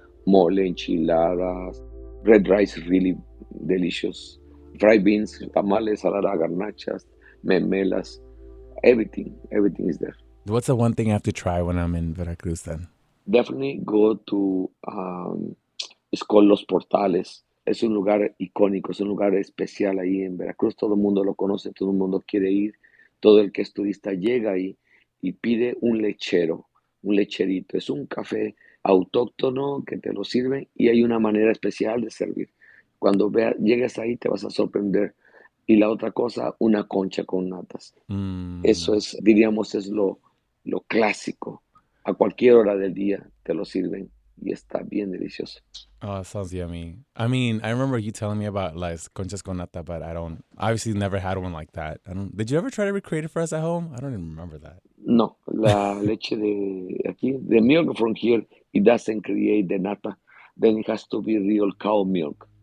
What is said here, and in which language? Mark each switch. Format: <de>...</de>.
<en>Mole, enchiladas, red rice is really delicious. Fried beans, tamales, salada, garnachas, memelas, everything is there. What's the one thing I have to try when I'm in Veracruz then? Definitely go to, it's called Los Portales.</en> <es>Es un lugar icónico, es un lugar especial ahí en Veracruz. Todo el mundo lo conoce, todo el mundo quiere ir. Todo el que es turista llega ahí y pide un lechero, un lecherito. Es un café autóctono que te lo sirve y hay una manera especial de servir. Cuando veas, llegues ahí te vas a sorprender. Y la otra cosa, una concha con natas. Eso es, diríamos, es lo clásico. A cualquier hora del día te lo sirven y está bien delicioso.</es> <en>Oh, that sounds yummy. I mean, I remember you telling me about</en> <es>las conchas con nata,</es> <en>but I don't, obviously never had one like that. Did you ever try to recreate it for us at home? I don't even remember that.</en> <es>No, la leche de aquí,</es> <en>the milk from here, it doesn't create the nata. Then it has to be real cow milk.</en>